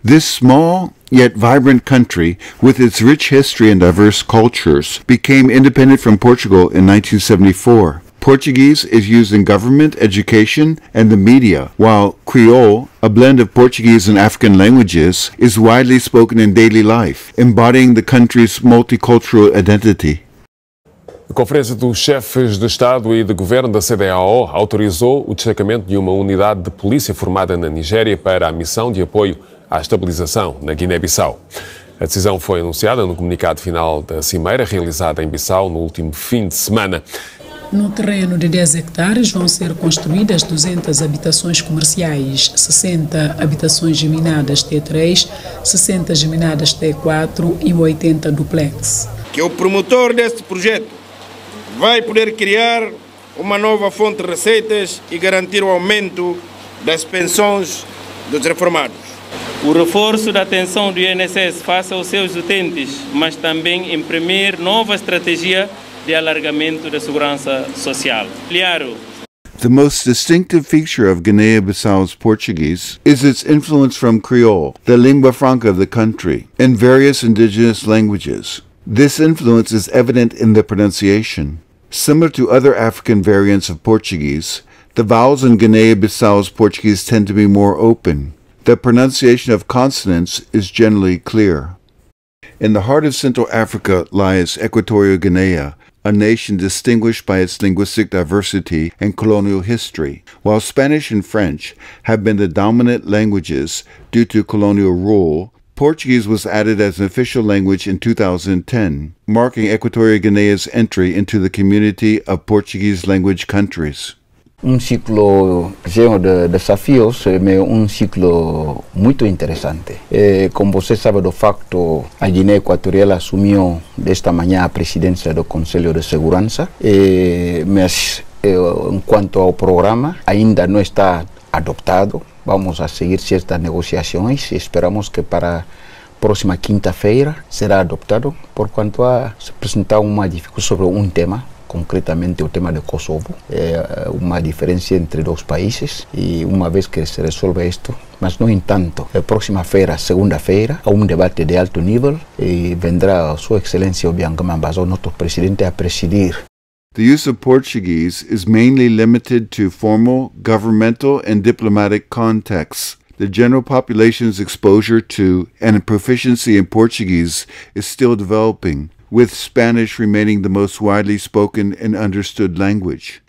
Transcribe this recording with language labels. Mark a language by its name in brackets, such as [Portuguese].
[English] This small yet vibrant country, with its rich history and diverse cultures, became independent from Portugal in 1974. Portuguese is used in government, education, and the media, while Creole, a blend of Portuguese and African languages, is widely spoken in daily life, embodying the country's multicultural identity. [Portuguese] A Conferência dos Chefes de Estado e de Governo da CDAO autorizou o destacamento de uma unidade de polícia formada na Nigéria para a missão de apoio à estabilização na Guiné-Bissau. A decisão foi anunciada no comunicado final da Cimeira, realizada em Bissau no último fim de semana. No terreno de 10 hectares vão ser construídas 200 habitações comerciais, 60 habitações geminadas T3, 60 geminadas T4 e 80 duplex. Que é o promotor deste projeto vai poder criar uma nova fonte de receitas e garantir o aumento das pensões dos reformados. O reforço da atenção do INSS face aos seus utentes, mas também imprimir nova estratégia de alargamento da segurança social. Claro. [English] The most distinctive feature of Guinea-Bissau's Portuguese is its influence from Creole, the lingua franca of the country, and various indigenous languages. This influence is evident in the pronunciation. Similar to other African variants of Portuguese, the vowels in Guinea-Bissau's Portuguese tend to be more open. The pronunciation of consonants is generally clear. In the heart of Central Africa lies Equatorial Guinea, a nation distinguished by its linguistic diversity and colonial history. While Spanish and French have been the dominant languages due to colonial rule, Portuguese was added as an official language in 2010, marking Equatorial Guinea's entry into the community of Portuguese language countries. [Portuguese] Um ciclo cheio de desafios, mas um ciclo muito interessante. E, como você sabe do facto, a Guiné Equatorial assumiu desta manhã a presidência do Conselho de Segurança, mas enquanto ao programa ainda não está adotado. [Spanish] Vamos a seguir ciertas negociaciones y esperamos que para próxima [Portuguese] quinta-feira [Spanish] será adoptado por cuanto a presentar una dificultad sobre un tema, concretamente el tema de Kosovo, una diferencia entre dos países y una vez que se resuelva esto, mas no en tanto, [Portuguese] próxima feira, segunda-feira, [Spanish] a un debate de alto nivel y vendrá su excelencia Obiang Mbazo, nuestro presidente, a presidir. [English] The use of Portuguese is mainly limited to formal, governmental, and diplomatic contexts. The general population's exposure to and proficiency in Portuguese is still developing, with Spanish remaining the most widely spoken and understood language.